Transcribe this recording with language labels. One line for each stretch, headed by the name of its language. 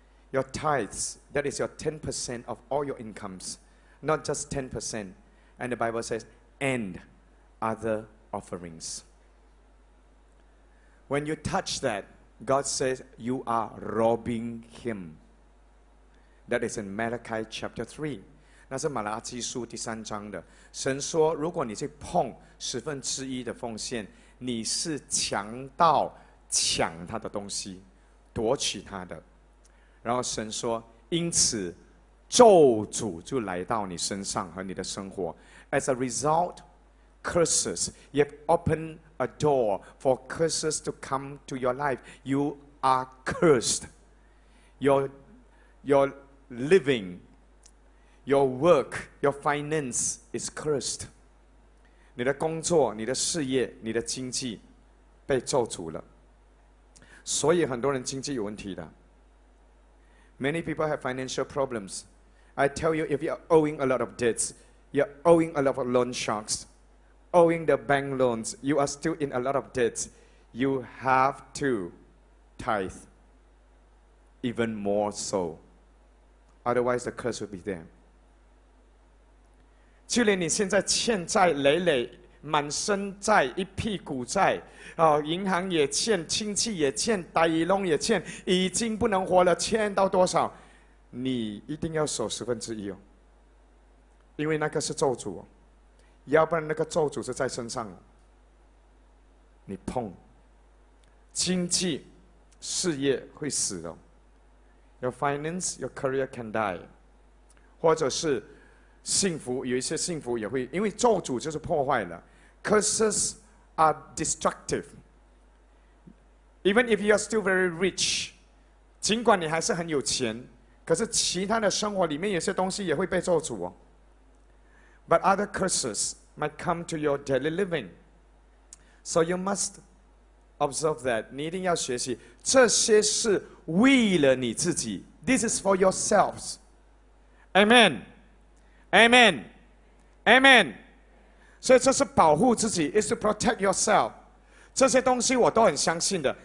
English: Your tithes, that is your 10% of all your incomes, not just 10%. And the Bible says, and other offerings. When you touch that, God says you are robbing him. That is in Malachi chapter 3.
Chinese: 那是马拉基书第三章的。神说，如果你去碰十分之一的奉献，你是强盗抢他的东西，夺取他的。然后神说，因此咒诅就来到你身上和你的生活。
English: As a result, curses, you have opened a door for curses to come to your life. You are cursed. Your living, your work, your finance is cursed.
Chinese: 你的工作、你的事业、你的经济被咒诅了。所以很多人经济有问题的。
English: Many people have financial problems. I tell you, if you're owing a lot of debts, you're owing a lot of loan sharks,owing the bank loans, you are still in a lot of debts, you have to tithe even more so. Otherwise, the curse will be there.
Chinese: 就连你现在欠债累累，满身债，一屁股债，银行也欠，亲戚也欠，大姨龙也欠，已经不能活了，欠到多少，你一定要守十分之一哦，因为那个是咒诅哦。要不然那个咒诅是在身上，你碰经济事业会死的。
English: Your finance, your career can die,
Chinese: 或者是幸福，有一些幸福也会，因为咒诅就是破坏了。
English: Curses are destructive. Even if you are still very rich,
Chinese: 尽管你还是很有钱，可是其他的生活里面有些东西也会被咒诅哦。
English: But other curses might come to your daily living. So you must observe that.
Chinese: 你一定要学习，这些是为了你自己。
English: This is for yourselves. Amen. Amen. Amen.
Chinese: 所以这是保护自己，
English: is to protect yourself.
Chinese: 这些东西我都很相信的。